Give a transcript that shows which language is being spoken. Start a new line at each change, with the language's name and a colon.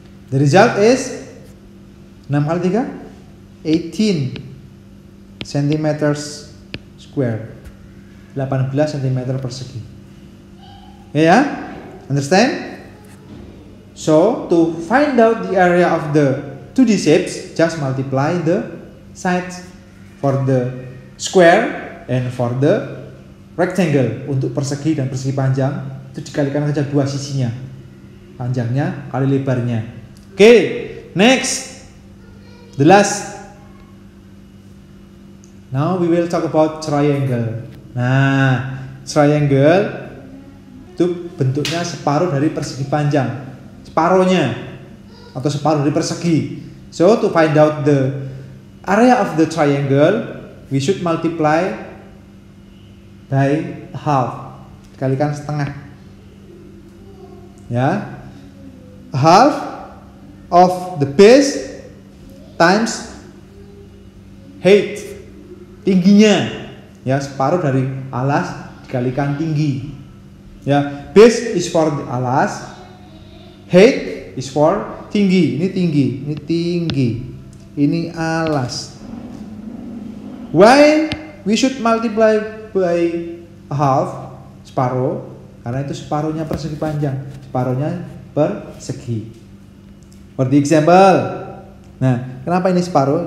English: The result is
Indonesian: 6 kali 3,
English: 18 cm square, 18 cm persegi. Ya, understand? So, to find out the area of the 2D shapes, just multiply the sides for the square and for the rectangle.
Indonesian: Untuk persegi dan persegi panjang, itu dikalikan saja dua sisinya. Panjangnya kali lebarnya. Oke,
English: next. The last. Now we will talk about triangle.
Indonesian: Nah, triangle itu bentuknya separuh dari persegi panjang, separuhnya atau separuh dari persegi.
English: So to find out the area of the triangle, we should multiply by half,
Indonesian: dikalikan setengah,
English: ya, half of the base times height,
Indonesian: tingginya,
English: ya,
Indonesian: separuh dari alas dikalikan tinggi.
English: Ya, base is for the alas, height is for tinggi.
Indonesian: Ini tinggi, ini tinggi, ini alas.
English: Why we should multiply by half, separuh?
Indonesian: Karena itu separuhnya persegi panjang, separuhnya persegi.
English: For the example,
Indonesian: nah, kenapa ini separuh?